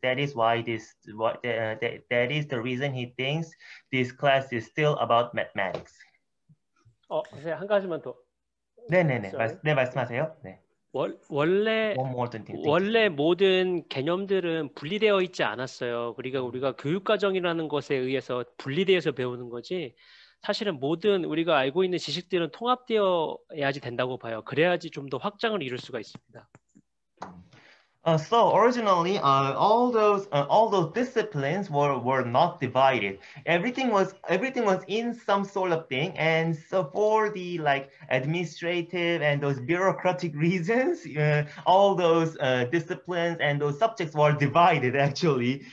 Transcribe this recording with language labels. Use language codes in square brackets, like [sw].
[en] That is the reason he thinks this class is still about mathematics. [ko] 선생님 한 가지만 더. 네네네. 네, 말씀하세요. 네. 원래 원래 모든 개념들은 분리되어 있지 않았어요. 그러니까 우리가 교육과정이라는 것에 의해서 분리되어서 배우는 거지. 사실은 모든 우리가 알고 있는 지식들은 통합되어야지 된다고 봐요. 그래야지 좀 더 확장을 이룰 수가 있습니다. [en] So originally, all those disciplines were not divided. Everything was in some sort of thing. And so for the like administrative and those bureaucratic reasons, all those disciplines and those subjects were divided actually.